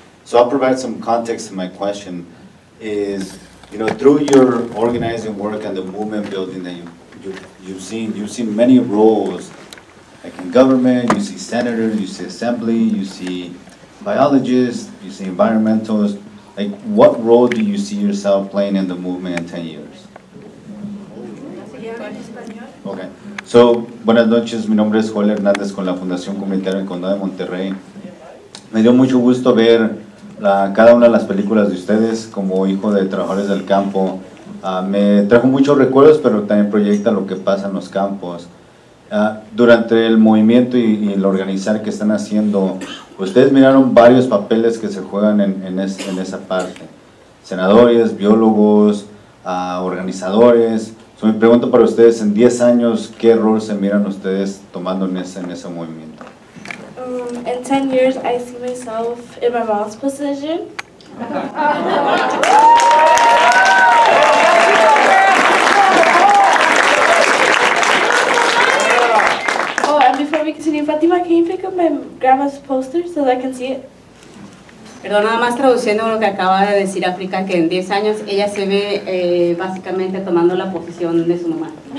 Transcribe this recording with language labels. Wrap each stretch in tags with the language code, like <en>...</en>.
<en>So I'll provide some context to my question. Is, you know, through your organizing work and the movement building that you've seen many roles. Like in government, you see senators, you see assembly, you see biologists, you see environmentalists. Like, what role do you see yourself playing in the movement in 10 years? Okay.</en> <es>So, buenas noches, mi nombre es Joel Hernández con la Fundación Comunitaria del Condado de Monterrey. Me dio mucho gusto ver cada una de las películas de ustedes como hijo de trabajadores del campo. Me trajo muchos recuerdos, pero también proyecta lo que pasa en los campos. Durante el movimiento y el organizar que están haciendo, ustedes miraron varios papeles que se juegan en esa parte. Senadores, biólogos, organizadores. So, mi pregunta para ustedes, en 10 años, ¿qué rol se miran ustedes tomando en ese movimiento?</es> <en>In 10 years, I see myself in my mom's position. Oh, and before we continue, Fatima, can you pick up my grandma's poster so that I can see it?</en> <es>Perdón, nada más traduciendo lo que acaba de decir África, que en 10 años ella se ve básicamente tomando la posición de su mamá.</es>